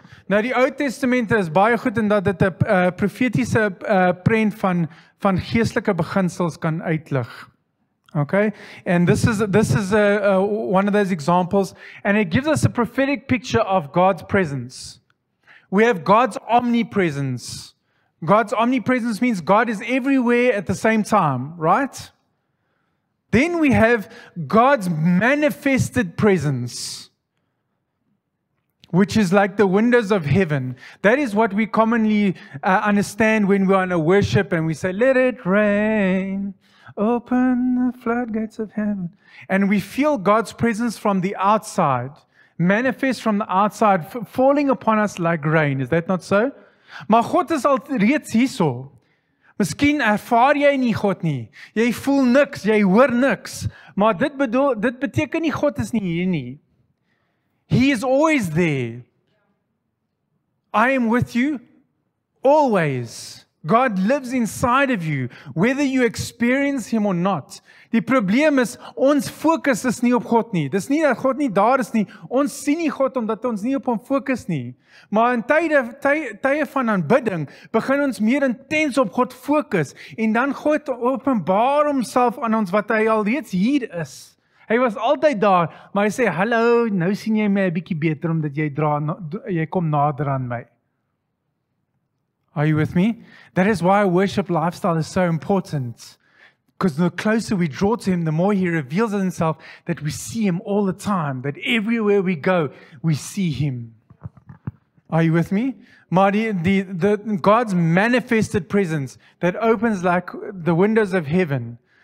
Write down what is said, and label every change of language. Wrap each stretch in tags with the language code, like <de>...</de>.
<af>Nou, die Ou Testament is baie goed in dat dit 'n profetiese prent van geestelike beginsels kan uitlig.</af> <en>Okay? And this is one of those examples. And it gives us a prophetic picture of God's presence. We have God's omnipresence. God's omnipresence means God is everywhere at the same time, right? Then we have God's manifested presence, which is like the windows of heaven. That is what we commonly understand when we are in a worship and we say, let it rain, open the floodgates of heaven. And we feel God's presence from the outside. manifest from the outside, falling upon us like rain. Is that not so?</en> <af>Maar God is al reeds hierso. Miskien ervaar jy nie God nie. Jy voel niks, jy hoor niks. Maar dit beteken nie God is nie hier nie.</af> <en>He is always there. I am with you always. God lives inside of you, whether you experience Him or not.</en> <af>Die probleem is, ons fokus is nie op God nie. Dis nie dat God nie daar is nie. Ons sien nie God omdat ons nie op Hom fokus nie. Maar in tye van aanbidding, begin ons meer intens op God fokus. En dan God openbaar Homself aan ons, wat Hy alreeds hier is. Hy was altyd daar, maar Hy sê, hallo, nou sien jy my 'n bietjie beter, omdat jy kom nader aan my.</af> <en>Are you with me? That is why worship lifestyle is so important. Because the closer we draw to Him, the more He reveals Himself, that we see Him all the time, that everywhere we go, we see Him. Are you with me? Maar the God's manifested presence that opens like the windows of heaven.</en>